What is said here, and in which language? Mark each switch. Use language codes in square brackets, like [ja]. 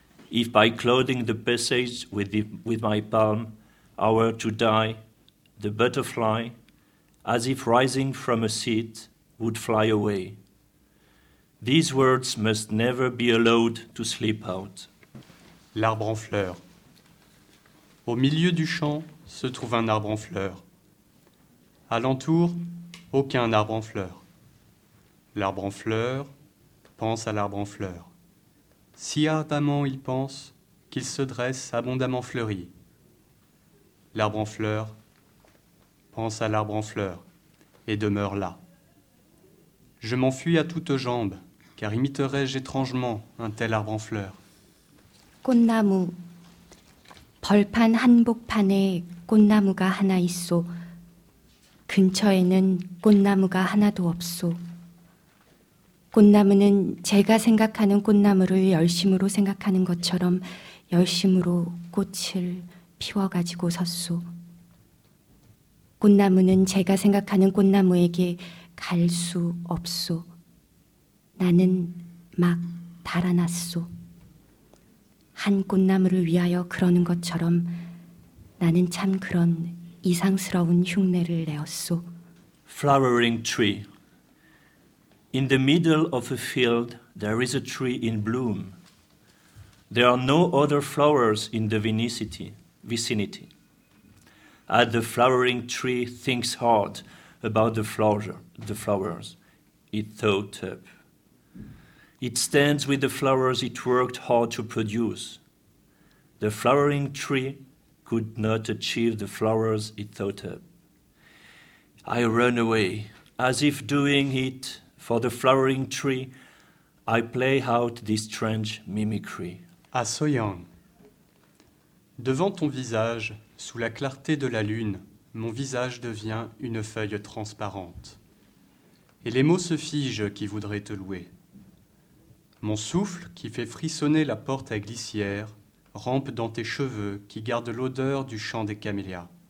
[en] If by clothing the passage with my palm, I were to die, the butterfly, as if rising from a seat, would fly away. These words must never be allowed to slip out. [fr] L'arbre en fleur. Au milieu du champ se trouve un arbre en fleur. Alentour, aucun arbre en fleur. L'arbre en fleur pense à l'arbre en fleur. Si ardemment il pense qu'il se dresse abondamment fleuri. L'arbre en fleur pense à l'arbre en fleur et demeure là. Je m'enfuis à toutes jambes, car imiterais-je étrangement un tel arbre en fleur. [ko] 꽃나무. 벌판 한복판에 꽃나무가 하나 있소. 근처에는 꽃나무가 하나도 없소. 꽃나무는 제가 생각하는 꽃나무를 열심으로 생각하는 것처럼 열심으로 꽃을 피워가지고 섰소. 꽃나무는 제가 생각하는 꽃나무에게 갈 수 없소. 나는 막 달아났소. 한 꽃나무를 위하여 그러는 것처럼 나는 참 그런 이상스러운 흉내를 내었소. [en] Flowering tree. In the middle of a field there is a tree in bloom. There are no other flowers in the vicinity. As the flowering tree thinks hard about the flowers it thought up. It stands with the flowers it worked hard to produce. The flowering tree could not achieve the flowers it thought up. I run away, as if doing it for the flowering tree, I play out this strange mimicry. [fr] À Soyang. Devant ton visage, sous la clarté de la lune, mon visage devient une feuille transparente. Et les mots se figent qui voudraient te louer. Mon souffle, qui fait frissonner la porte à glissière, rampe dans tes cheveux qui gardent l'odeur du champ des camélias.